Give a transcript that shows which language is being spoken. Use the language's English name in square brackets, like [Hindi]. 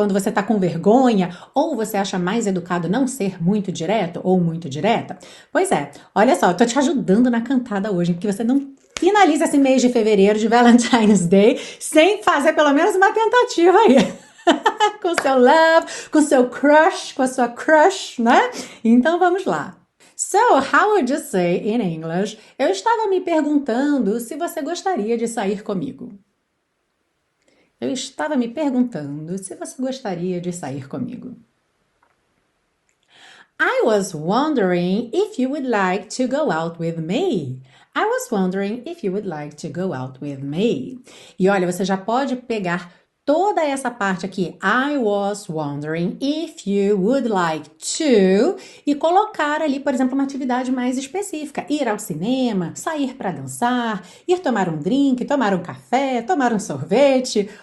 [Portuguese] Quando você está com vergonha ou você acha mais educado não ser muito direto ou muito direta. Pois é, olha só, eu estou te ajudando na cantada hoje, porque você não finaliza esse mês de fevereiro de Valentine's Day sem fazer pelo menos uma tentativa aí. Com seu love, com seu crush, com a sua crush, né? Então vamos lá. [English] So, how would you say in English? [Portuguese] Eu estava me perguntando se você gostaria de sair comigo. Eu estava me perguntando se você gostaria de sair comigo. [English] I was wondering if you would like to go out with me. I was wondering if you would like to go out with me. [Portuguese] E olha, você já pode pegar toda essa parte aqui, [English] I was wondering if you would like to, [Portuguese] e colocar ali, por exemplo, uma atividade mais específica, ir ao cinema, sair para dançar, ir tomar um drink, tomar um café, tomar um sorvete.